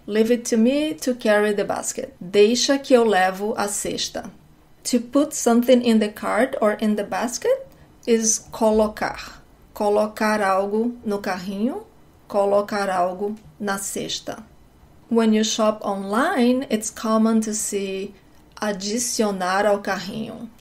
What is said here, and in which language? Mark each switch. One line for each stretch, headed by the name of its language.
English: Leave it to me to carry the basket.
Portuguese: Deixa que eu levo a cesta.
English: To put something in the cart or in the basket is colocar.
Portuguese: Colocar algo no carrinho, colocar algo na cesta.
English: When you shop online, it's common to see
Portuguese: adicionar ao carrinho.